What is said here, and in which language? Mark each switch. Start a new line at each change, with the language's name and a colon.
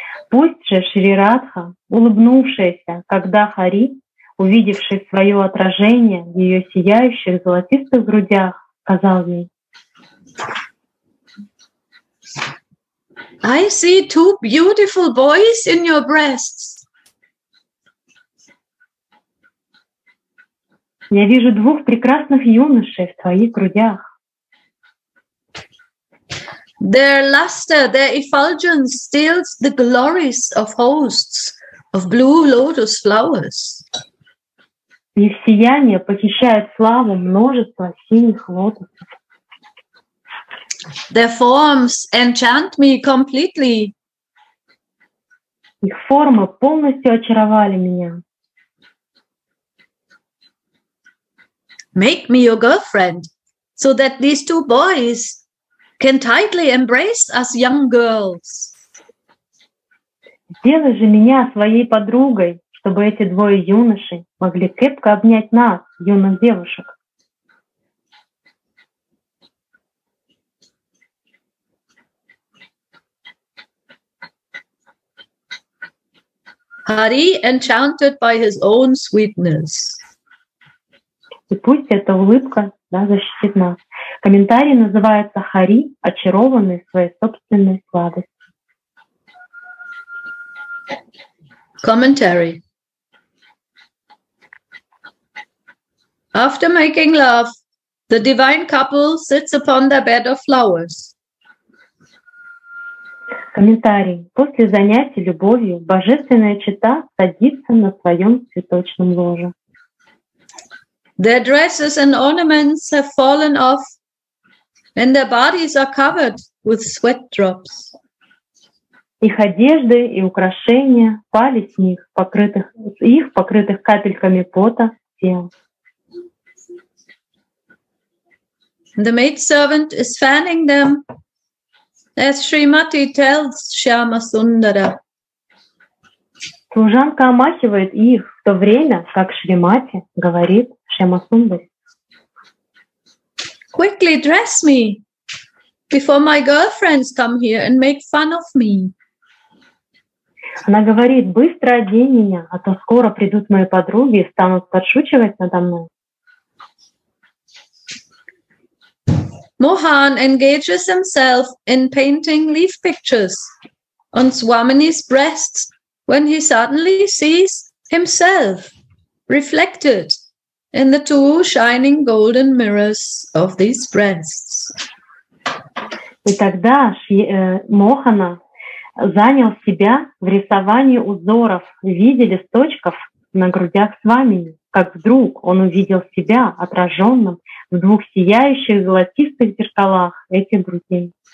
Russian: Пусть же Шри Радха, улыбнувшаяся, когда Хари, увидевший свое отражение в ее сияющих золотистых грудях, сказал ей.
English: I see two beautiful boys in your breasts.
Russian: Я вижу двух прекрасных юношей в твоих грудях.
English: Their luster, their effulgence steals the glories of hosts of blue lotus flowers.
Russian: Их сияние похищает славу множества синих лотосов.
English: Their forms enchant me completely.
Russian: Их формы полностью очаровали меня.
English: Make me your girlfriend, so that these two boys can tightly embrace us young girls.
Russian: Сделай же меня своей подругой, чтобы эти двое юношей могли крепко обнять нас, юных девушек.
English: Hari, enchanted by his own sweetness.
Russian: И пусть эта улыбка, да, защитит нас. Комментарий называется «Хари, очарованный своей собственной сладостью».
English: Commentary. After making love, the divine couple sits upon their bed of flowers.
Russian: Комментарий. После занятий любовью божественная чета садится на своем цветочном ложе.
English: Their dresses and ornaments have fallen off, and their bodies are covered with sweat drops.
Russian: Их одежды и украшения пали с них, покрытых капельками пота тел.
English: The maidservant is fanning them, as Srimati tells Shyama Sundara.
Russian: Служанка омахивает их, в то время как Шримати говорит Шрямасундаре.
English: Quickly dress me before my girlfriends come here and make fun of me.
Russian: Она говорит: быстро одень меня, а то скоро придут мои подруги и станут подшучивать надо мной.
English: Mohan engages himself in painting leaf pictures on Swamini's breasts when he suddenly sees himself reflected in the two shining golden mirrors of these breasts.
Russian: И тогда Мохана занял себя в рисовании узоров в виде листочков на грудях Свамини, как вдруг он увидел себя отраженным в двух сияющих золотистых зеркалах этих грудей.